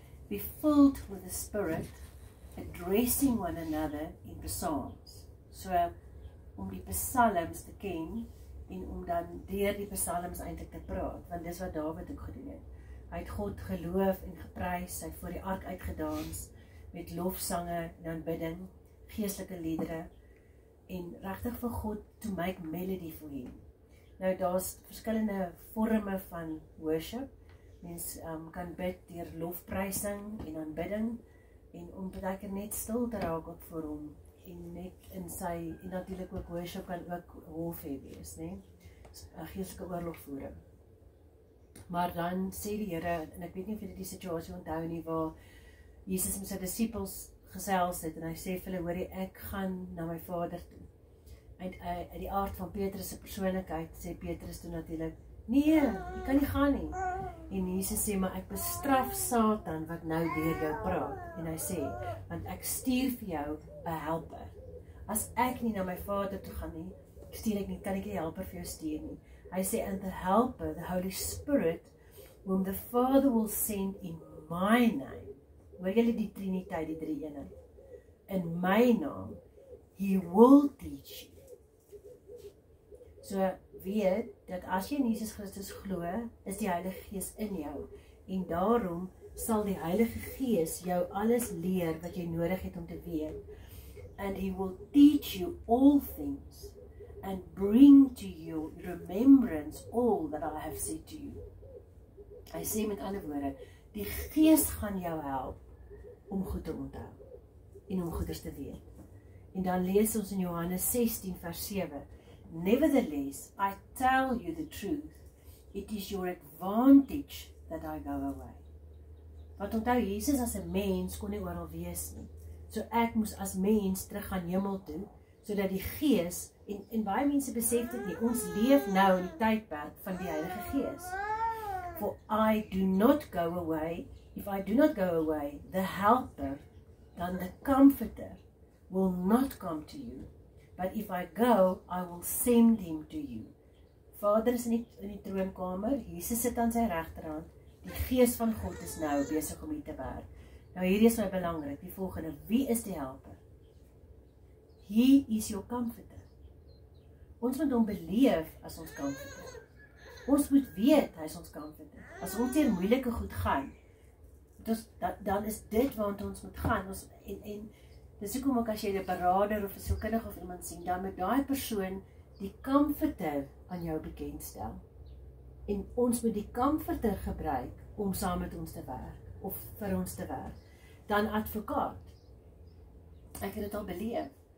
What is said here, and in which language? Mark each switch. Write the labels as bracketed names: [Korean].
[English] Be filled with the Spirit, addressing one another in the Psalms. [Afrikaans] So om die psalms te ken en om dan deur die psalms eintlik te praat, want dis wat Dawid ook gedoen het. Hy het God geloof en geprys, hy het voor die ark uitgedans met lofsange en aanbidding, geestelike liedere en regtig vir God [English] to make melody for him. [Afrikaans] Nou daar's verskillende vorme van worship. Mens kan bid deur lofprysing en aanbidding en om beter net stil te raak op voor hom en net in sy en natuurlik ook worship kan ook hof hê wees, né? Nee? Geestelike oorlogvoering. Maar dan sê die Here, en ek weet nie of jy die situasie onthou nie waar Jesus met sy disippels gesels het en hy sê vir hulle, hoorie, ek gaan na my Vader toe. Uit die aard van Petrus se persoonlikheid sê Petrus toe natuurlik, nee, jy kan nie gaan nie. En Jesus sê, maar ek bestraf Satan wat nou deur jou praat. En hy sê, want ek stuur vir jou 'n helper. As ek nie na my Vader toe gaan nie, stuur ek nie, kan ek nie helper vir jou stuur nie. Hy sê, [English] and the helper, the Holy Spirit, whom the Father will send in my name. [Afrikaans] Hoor julle die Triniteit, die drie eenheid. In my naam, [English] he will teach you. [Afrikaans] So weet, dat as jy in Jesus Christus glo, is die Heilige Gees in jou. En daarom sal die Heilige Gees jou alles leer wat jy nodig het om te weet. [English] And he will teach you all things and bring to you remembrance all that I have said to you. [Afrikaans] Hy sê met ander woorde, die Gees gaan jou help om goed te onthou en om goeders te weet. En dan lees ons in Johannes 16 vers 7, [English] Nevertheless, I tell you the truth, it is your advantage that I go away. [Afrikaans] Want onthou, Jesus as 'n mens kon nie oral wees nie. So ek moes as mens terug gaan hemel toe, sodat die Gees, en baie mense besef dit nie, ons leef nou in die tydperk van die Heilige Gees. [English] For I do not go away, if I do not go away, the helper, then the comforter, will not come to you. But if I go, I will send him to you. [Afrikaans] Vader is in die troonkamer, Jesus sit aan sy regterhand, die Gees van God is nou besig om hier te werk. Nou hier is my belangrik, die volgende, wie is die helper? [English] He is your comforter. [Afrikaans] Ons moet hom beleef as ons comforter. Ons moet weet, hy is ons comforter. As ons hier moeilike goed gaan, dan is dit waarna ons moet gaan. En dis hoekom ook as jy 'n berader of 'n sielkundige of iemand sien, dan moet daai persoon die comforter aan jou bekendstel. En ons moet die comforter gebruik om saam met ons te werk, of vir ons te werk. Dan advokaat. Ek het dit al beleef.